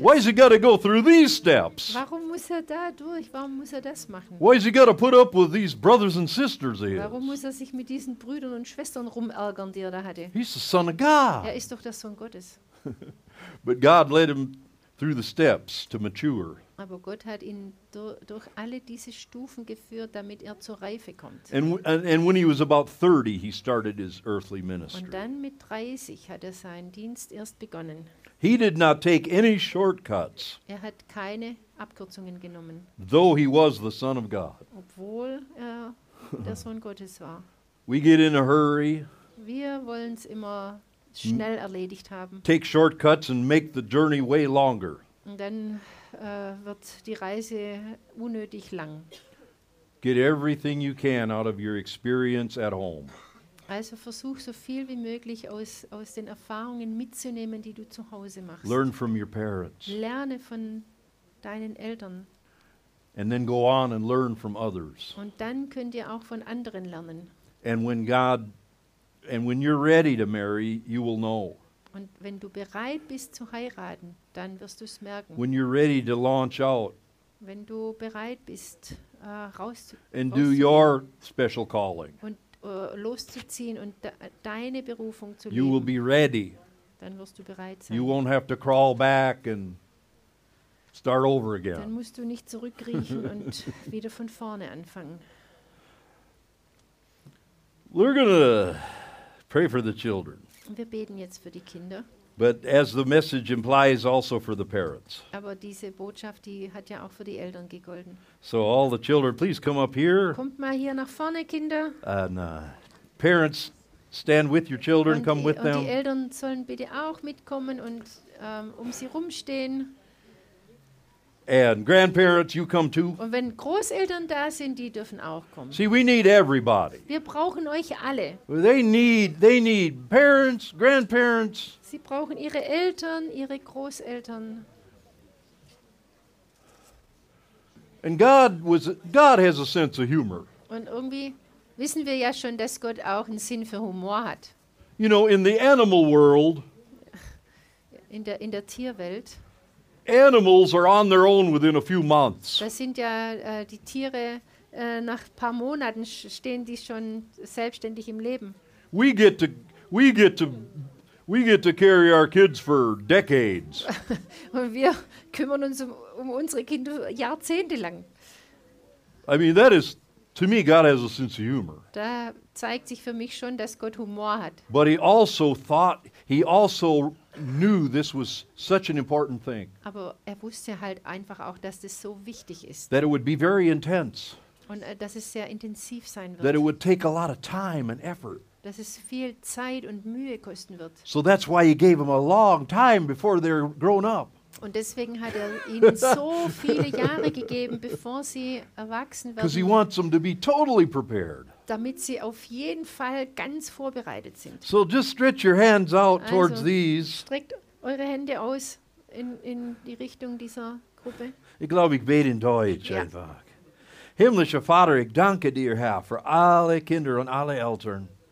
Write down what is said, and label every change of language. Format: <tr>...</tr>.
<en>Why has he got to go through these steps?</en> <de>Warum muss er da durch? Warum muss er das machen?</de> <en>Why has he got to put up with these brothers and sisters of his?</en> <de>Warum muss er sich mit diesen Brüdern und Schwestern rumärgern, die er da hatte?</de> <en>He's the Son of God.</en> <de>Er ist doch der Sohn Gottes.</de> <en>But God led him through the steps to mature.</en> <de>Aber Gott hat ihn durch alle diese Stufen geführt, damit er zur Reife kommt.</de> <en>And when he was about 30, he started his earthly ministry.</en> <de>Und dann mit 30 hat er seinen Dienst erst begonnen.</de> <en>He did not take any shortcuts.</en> <de>Er hat keine Abkürzungen genommen.</de> <en>Though he was the Son of God.</en> <de>Obwohl er der Sohn Gottes war.</de> <en>We get in a hurry.</en> <de>Wir wollen es immer schnell erledigt haben.</de> <en>Take shortcuts and make the journey way longer.</en> <de>Und dann wird die Reise unnötig lang.</de> <en>Get everything you can out of your experience at home.</en> <de>Also versuch so viel wie möglich aus den Erfahrungen mitzunehmen, die du zu Hause machst.</de> <en>Learn from your parents.</en> <de>Lerne von deinen Eltern.</de> <en>And then go on and learn from others.</en> <de>Und dann könnt ihr auch von anderen lernen.</de> <en>And when you're ready to marry, you will know.</en> <de>Und wenn du bereit bist zu heiraten, dann wirst du es merken.</de> <en>When you're ready to launch out.</en> <de>Wenn du bereit bist,</de> <en>and do your special calling.</en> <de>Und loszuziehen und deine Berufung zu leben.</de> <en>You will be ready.</en> <de>Dann wirst du bereit sein.</de> <en>You won't have to crawl back and start over again.</en> <de>Dann musst du nicht zurückkriechen und wieder von vorne anfangen.</de> <en>We're going to pray for the children.</en> <de>Wir beten jetzt für die Kinder.</de> <en>But as the message implies, also for the parents.</en> <de>Aber diese Botschaft, die hat ja auch für die Eltern gegolten.</de> <en>So all the children, please come up here.</en> <de>Kommt mal hier nach vorne, Kinder.</de> <en>Parents, stand with your children,</en> <de>und</de> <en>come with</en> <de>und</de> <en>them.</en> <de>Und die Eltern sollen bitte auch mitkommen und sie rumstehen.</de> <en>And grandparents, you come too.</en> <de>Und wenn Großeltern da sind, die dürfen auch kommen.</de> <en>See, we need everybody.</en> <de>Wir brauchen euch alle.</de> <en>They need parents, grandparents.</en> <de>Sie brauchen ihre Eltern, ihre Großeltern.</de> <en>And God has a sense of humor.</en> <de>Und irgendwie wissen wir ja schon, dass Gott auch einen Sinn für Humor hat.</de> <en>You know, in the animal world.</en> <de>In der Tierwelt.</de> <en>Animals are on their own within a few months.</en> <de>Das sind ja die Tiere, nach ein paar Monaten stehen die schon selbstständig im Leben.</de> <en>We get to carry our kids for decades.</en> <de>Und wir kümmern uns um unsere Kinder jahrzehntelang.</de> <en>I mean, that is, to me, God has a sense of humor.</en> <de>Da zeigt sich für mich schon, dass Gott Humor hat.</de> <en>But he also thought, he also knew this was such an important thing.</en> <de>Aber er wusste halt einfach auch, dass das so wichtig ist.</de> <en>That it would be very intense.</en> <de>Und dass es sehr intensiv sein wird.</de> <en>That it would take a lot of time and effort.</en> <de>Dass es viel Zeit und Mühe kosten wird.</de> <en>So that's why he gave them a long time before they're grown up.</en> <de>Und deswegen hat ihnen so viele Jahre gegeben, bevor sie erwachsen werden.</de> <en>Because he wants them to be totally prepared.</en> <de>Damit sie auf jeden Fall ganz vorbereitet sind.</de> <en>So just stretch your hands out towards</en> <de>also,</de> <en>these.</en> <de>Streckt eure Hände aus in die Richtung dieser Gruppe. Ich glaube, ich bete in Deutsch ja. einfach. Himmlischer Vater, ich danke dir, Herr, für alle Kinder und alle Eltern.</de>